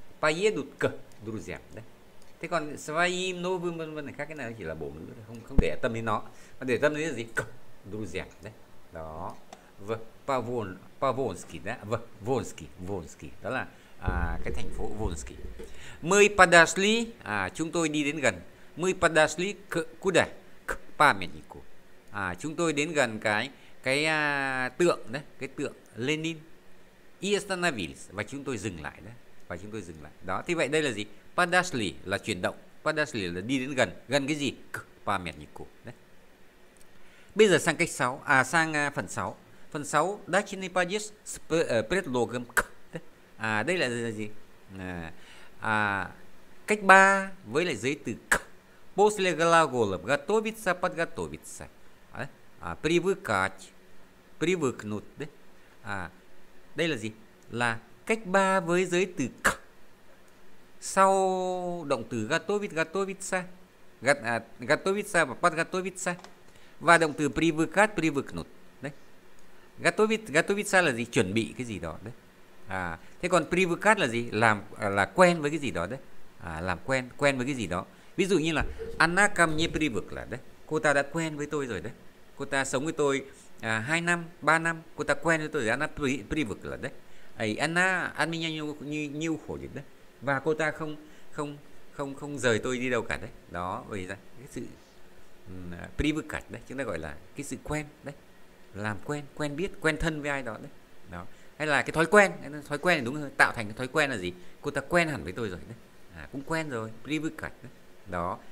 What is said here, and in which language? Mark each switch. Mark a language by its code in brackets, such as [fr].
[ru] Поедут к друзьям, đấy. [vi] Thế còn [ru] своим новым [vi] vân vân này khác cái này chỉ là bổ ngữ, không không để tâm đến nó. Mà để tâm đến là gì? [ru] К друзьям, đấy. [vi] Đó. [ru] В Павон Павонский, đấy. В Вонский, Вонский. [vi] Đó là cái thành phố Вонский. [ru] Мы подошли, [vi] chúng tôi đi đến gần. [ru] Мы подошли к куда? К памятнику. [vi] Chúng tôi đến gần cái tượng đấy, cái tượng [ru] Lenin и остановились. [vi] Và chúng tôi dừng lại đó. Và chúng tôi dừng lại. Đó, thì vậy đây là gì? Подошли là chuyển động. Подошли là đi đến gần. Gần cái gì? [ru] К памятнику. [vi] Đấy. Bây giờ sang cách 6, à sang phần 6. [ru] Phần 6 дачный подъезд с предлогом к. [vi] À đây là gì? À cách 3 với lại giới từ к. [ru] После глагола готовиться, подготовиться. À привыкать. Привыкнуть, đấy. [vi] À đây là gì? Là cách 3 với giới từ к. Sau động từ готовить, готовиться. [ru] Готовиться và подготовиться. [vi] Và động từ привыкать, привыкнуть, đấy. Готовить, готовиться là gì? Chuẩn bị cái gì đó, đấy. À thế còn привыкать là gì? Làm là quen với cái gì đó đấy. À làm quen, quen với cái gì đó. Ví dụ như là [ru] она ко мне привыкла, [vi] đấy. Cô ta đã quen với tôi rồi đấy. Cô ta sống với tôi 2 năm, 3 năm, cô ta quen với tôi rồi, [ru] она привыкла, [vi] đấy. [ru] Ấy она от меня не уходит, đấy. [vi] Và cô ta không rời tôi đi đâu cả đấy. Đó, vì ra cái sự привыкать, đấy, chúng ta gọi là cái sự quen đấy. Làm quen, quen biết, quen thân với ai đó đấy. Đó. Hay là cái thói quen, thì đúng hơn, tạo thành cái thói quen là gì? Cô ta quen hẳn với tôi rồi đấy. À, cũng quen rồi, привыкать đấy. Đó.